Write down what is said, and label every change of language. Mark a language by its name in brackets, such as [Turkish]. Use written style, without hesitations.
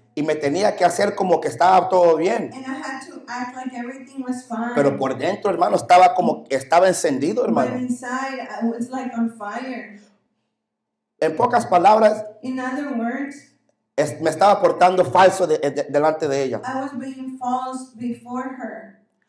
[Spanish] Y me tenía que hacer como que estaba todo bien. [English] And I had to act like everything was fine. [Spanish] Pero por dentro, hermano, estaba como que estaba encendido, hermano. [English] But inside, I was like on fire. [Spanish] En pocas palabras, [English] in other words, [Spanish] me estaba portando falso delante de ella. [English] I was being false before her.